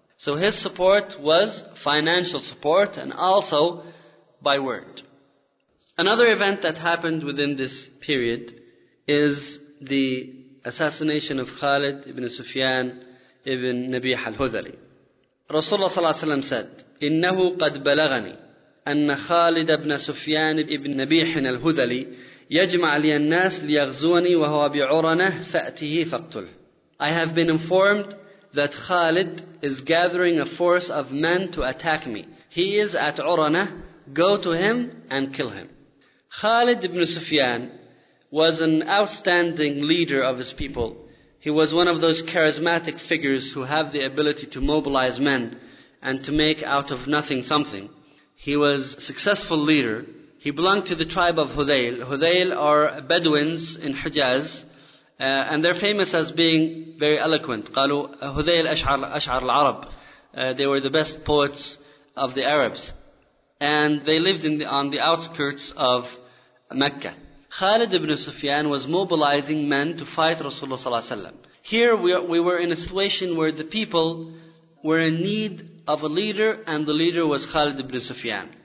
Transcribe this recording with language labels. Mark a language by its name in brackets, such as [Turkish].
[English] So his support was financial support and also by word. Another event that happened within this period is the assassination of Khalid ibn Sufyan ibn Nabih al-Hudhali. [Arabic] Rasulullah صلى الله عليه وسلم said, إِنَّهُ قَدْ بَلَغَنِي أَنَّ خَالِدَ ابْنَ سُفْيَانِ ابْنَ نَبِيحٍ الْهُذَلِي يَجْمَعَ لِيَ النَّاسِ لِيَغْزُونِي وَهُوَ بِعُرَنَهِ فَأْتِهِ فَقْتُلْهِ. [English] I have been informed that Khalid is gathering a force of men to attack me. He is at Uranah. Go to him and kill him. Khalid ibn Sufyan was an outstanding leader of his people. He was one of those charismatic figures who have the ability to mobilize men and to make out of nothing something. He was a successful leader. He belonged to the tribe of Hudayl. Hudayl are Bedouins in Hijaz, and they're famous as being very eloquent. [Arabic] قالوا Hudayl أشعر العرب. [English] They were the best poets of the Arabs. And they lived on the outskirts of Mecca. Khalid ibn Sufyan was mobilizing men to fight Rasulullah sallallahu alaihi wasallam. Here we were in a situation where the people were in need of a leader, and the leader was Khalid ibn Sufyan.